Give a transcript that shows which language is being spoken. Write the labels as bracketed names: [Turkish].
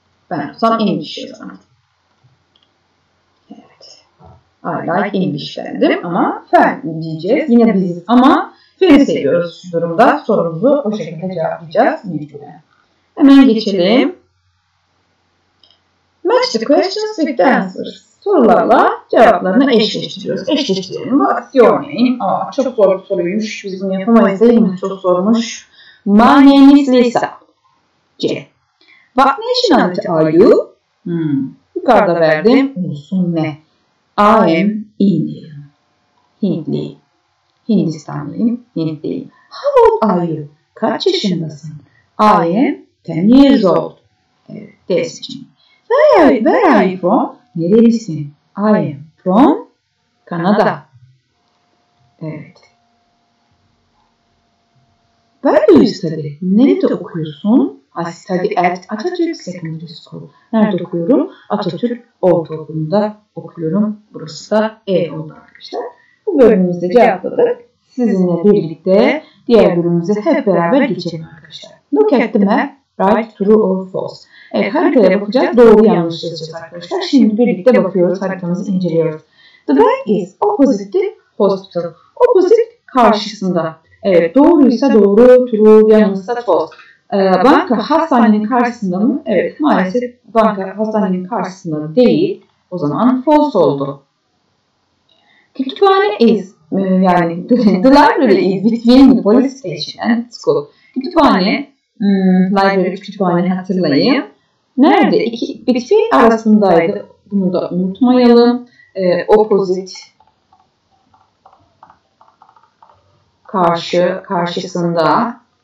[Turkish] Ben olsam English yazardım. Evet. [English] I like English [Turkish] derim ama fen diyeceğiz. Yine biz ama feni seviyoruz şu durumda. Sorumuzu o şekilde cevaplayacağız. Hemen geçelim. [English] Match the questions with the answers. [Turkish] Sorularla cevaplarını eşleştiriyoruz. Eşleştirelim. [English] What's your name? [Turkish] Aa, çok zor bir soruymuş. Bizim yapamayız değil mi? Çok sormuş. [English] My name is Lisa. C. What nationality are you? [Turkish] Yukarıda verdim. Ulusun ne? [English] I am Indian. [Turkish] Hintli. Hindistanlıyım. Hintliyim. [English] How old are you? [Turkish] Kaç yaşındasın? [English] I am 10 years old. [Turkish] Evet. Desicim. [English] Where are you from? [Turkish] Nerelisin? [English] I am from Canada. [Turkish] Evet. [English] Where do you study? [Turkish] Nerede okuyorsun? [English] I study at Atatürk Secondary School. [Turkish] Nerede okuyorum? Atatürk Ortaokulu'nda okuyorum. Burası da E oldu arkadaşlar. Bu bölümümüzde cevapladık. Sizinle birlikte diğer bölümümüze hep beraber geçelim arkadaşlar. [English] Look at the map. Right, true or false. [Turkish] Evet, haritaya bakacağız. Doğru yanlış yazacağız arkadaşlar. Şimdi birlikte bakıyoruz. Haritamızı inceliyoruz. [English] The bank is opposite the hospital. [Turkish] Opposite karşısında. Evet, doğruysa doğru, true, yanlışsa false. Banka hastanenin karşısında mı? Evet, maalesef banka hastanenin karşısında değil. O zaman false oldu. [English] Kütüphane is, yani the library is between the police station and school. [Turkish] Kütüphane, library kütüphaneyi hatırlayayım. Nerede? Bitki arasındaydı. Bunu da unutmayalım. Opposite. Karşısında.